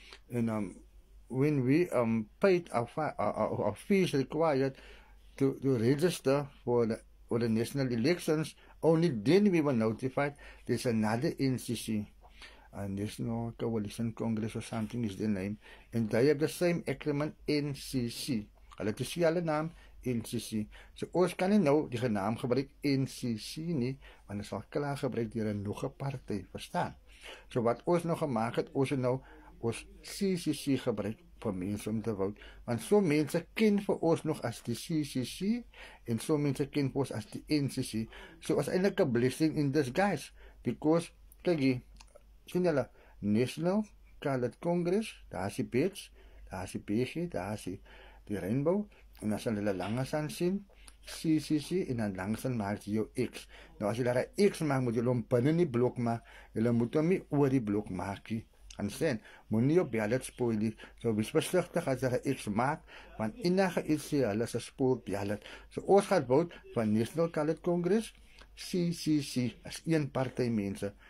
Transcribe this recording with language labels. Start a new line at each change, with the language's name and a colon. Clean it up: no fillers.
English: And when we paid our fees required to register for the national elections, only then we were notified there's another NCC, National Coalition Congress or something is the name, and they have the same acronym NCC.
Afrikaans: Hulle het dieselfde naam, NCC. So ons kan nie nou die naam gebruik NCC nie, want dit sal klaar gebruik deur 'n nog 'n party, verstaan? So wat ons nou gemaak het, ons het nou ons CCC gebruik vir mense om te vote, want so mense ken vir ons nog as die CCC en so mense ken ons as die NCC. So as eintlik 'n
English: blessing in disguise, because
Afrikaans: kyk, sien julle, National Coloured Congress, daar is die beige, daar is die beige, daar is die rainbow, en as hulle langs aan sien, CCC, en dan langs aan maak jy jou X. Nou as jy daar 'n X maak, moet jy hom binne in die blok maak, jy moet hom nie oor die blok maak nie.
English: Understand?
Afrikaans: Moenie jou ballot spoil nie. So wees versigtig as jy 'n X maak, want enige iets sê hulle is 'n spoil ballot. So ons gaan vote van National Coloured Congress, CCC, as een party mense.